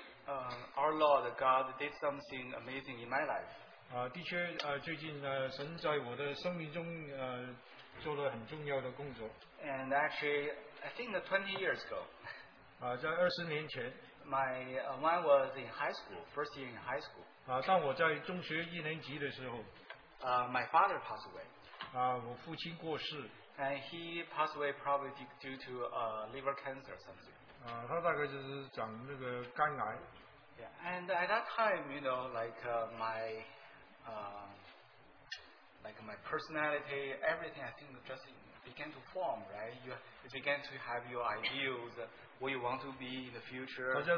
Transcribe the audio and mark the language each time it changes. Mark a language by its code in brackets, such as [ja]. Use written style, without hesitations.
[en] our Lord God did something amazing in my life. [zh] 的确，最近神在我的生命中做了很重要的工作。And [en] actually, I think 20 years ago. [zh] 在20年前。 [en] Mine was in high school, first year in high school. [zh] 当我在中学一年级的时候, [en] my father passed away. [zh] 我父亲过世, [en] and he passed away probably due to liver cancer or something. [zh] 他大概就是长那个肝癌。 [en] Yeah, and at that time, you know, my personality, everything, I think, just began to form, right? You began to have your ideals. What you want to be in the future.